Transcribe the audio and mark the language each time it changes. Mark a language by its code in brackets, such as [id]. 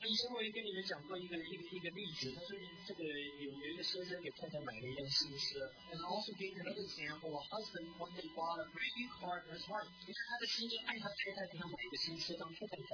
[zh] 医生会跟你们讲过一个例子，他说这个有一个先生给太太买了一辆新车。 [en] And also gave another example, a husband when they bought a brand new car for his wife. [zh] 因为他的先生爱他太太，给他买一个新车当太太开。